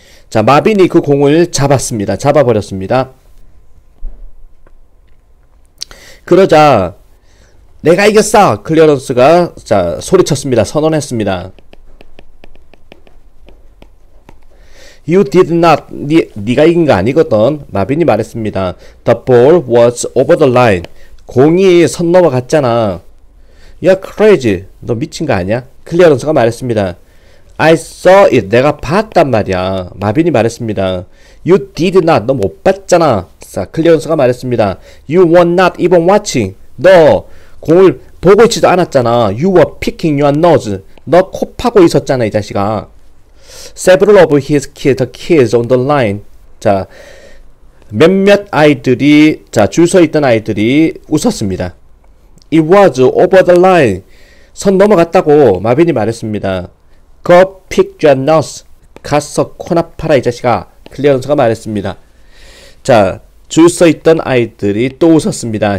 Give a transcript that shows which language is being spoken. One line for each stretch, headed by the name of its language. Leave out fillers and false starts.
Korean: 자, 마빈이 그 공을 잡았습니다. 잡아 버렸습니다. 그러자, 내가 이겼어! 클리어런스가, 자, 소리쳤습니다. 선언했습니다.
English: You did not,
Korean: 네가 이긴 거 아니거든. 마빈이 말했습니다.
English: The ball was over the line.
Korean: 공이 선 넘어갔잖아.
English: You're crazy.
Korean: 너 미친 거 아니야? 클리어런스가 말했습니다.
English: I saw it.
Korean: 내가 봤단 말이야. 마빈이 말했습니다.
English: You did not.
Korean: 너못 봤잖아. 자, 클리어런스가 말했습니다.
English: You were not even watching.
Korean: 너 공을 보고 있지도 않았잖아.
English: You were picking your nose.
Korean: 너코 파고 있었잖아, 이 자식아.
English: Several of his kids, the kids on the line.
Korean: 자, 몇몇 아이들이, 자, 줄서 있던 아이들이 웃었습니다.
English: It was over the line.
Korean: 선 넘어갔다고 마빈이 말했습니다.
English: Go pick your nose.
Korean: 가서 코나 파라, 이 자식아. 클리어런스가 말했습니다. 자, 줄서 있던 아이들이 또 웃었습니다.